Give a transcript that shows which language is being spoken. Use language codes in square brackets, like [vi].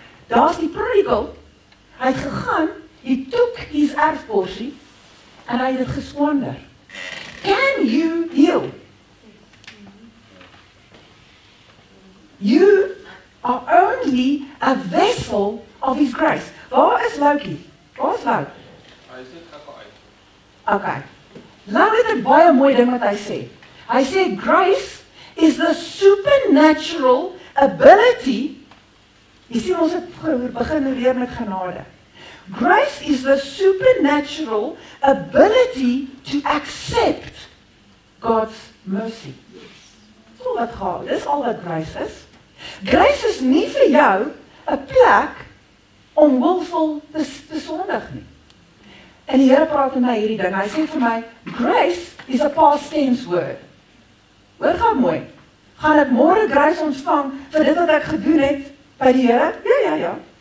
[af] Daar's die prodigal. Hy het gegaan, [en] he took his [af] erfporsie, and hy het het geswander. [en] Can you heal? You are only a vessel of his grace. [af] Waar is Loki? Waar is Loki? Hy is net gaan uit. [en] Okay. [af] Nou het ek baie mooi ding wat hy sê. Hy sê, [en] grace is the supernatural ability. [af] Jy sien, ons het begin leer met genade. [en] Grace is the supernatural ability to accept God's mercy. [af] Dis al wat grace is. Grace is nie vir jou a plek om willful te sondig nie. En die Heere praat met my hierdie ding. Hy sê vir my, [en] grace is a past tense word. [af] Hoor gaan mooi. Gaan ek morgen grace ontvang vir dit wat ek gedoen het by die Heere? Ja.